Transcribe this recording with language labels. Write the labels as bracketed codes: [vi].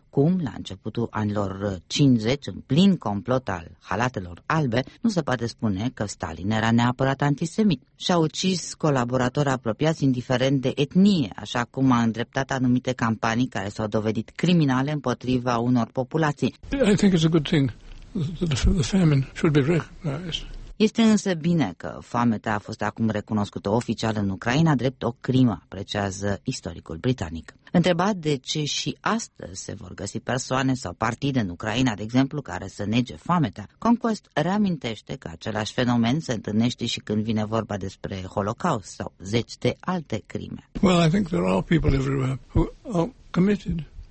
[ro] Cum, la începutul anilor 50, în plin complot al halatelor albe, nu se poate spune că Stalin era neapărat antisemit și a ucis colaboratori apropiați indiferent de etnie, așa cum a îndreptat anumite campanii care s-au dovedit criminale împotriva unor populații. [en] I think it's a good thing that the famine should be recognized. [ro] Este însă bine că foamea a fost acum recunoscută oficial în Ucraina drept o crimă, apreciază istoricul britanic. Întrebat de ce și astăzi se vor găsi persoane sau partide în Ucraina, de exemplu, care să nege foamea, Conquest reamintește că același fenomen se întâlnește și când vine vorba despre Holocaust sau zeci de alte crime. [en] Well, I think there are people everywhere who are committed.